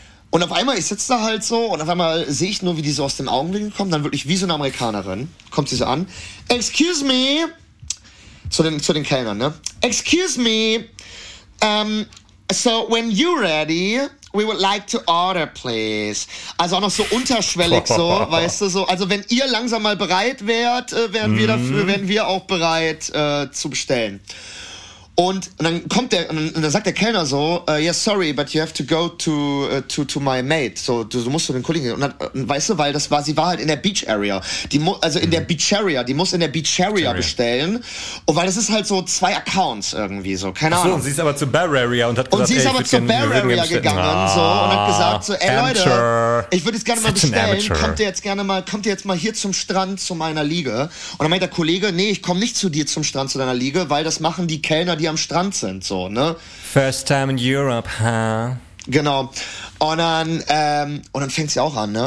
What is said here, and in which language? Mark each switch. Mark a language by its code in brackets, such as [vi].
[de] Und auf einmal, ich sitze da halt so, und auf einmal sehe ich nur, wie die so aus dem Augenwinkel kommen, dann wirklich wie so eine Amerikanerin, kommt sie so an, [en] excuse me, [de] zu den Kellnern, ne? [en] Excuse me, so when you're ready, we would like to order, please. [de] Also auch noch so unterschwellig so, weißt du, so, also wenn ihr langsam mal bereit wärt, wären wir auch bereit zu bestellen. Und dann sagt der Kellner so, [en] yeah, sorry, but you have to go to my mate. [de] So, du musst zu den Kollegen gehen. Und dann, weißt du, weil das war, sie war halt in der Beach Area. Die muss in der Beach Area bestellen. Und weil das ist halt so zwei Accounts irgendwie so. Keine Ahnung. Und sie ist aber zur Bar Area und hat gesagt, und sie ist aber zur Bar Area gegangen, so. Und hat gesagt so, ey, Leute, ich würde jetzt gerne mal bestellen. Kommt ihr jetzt mal hier zum Strand zu meiner Liege? Und dann meint der Kollege, nee, ich komme nicht zu dir zum Strand zu deiner Liege, weil das machen die Kellner, die am Strand sind, so, ne? [en] First time in Europe, huh? [de] Genau. Und dann fängt sie auch an, ne?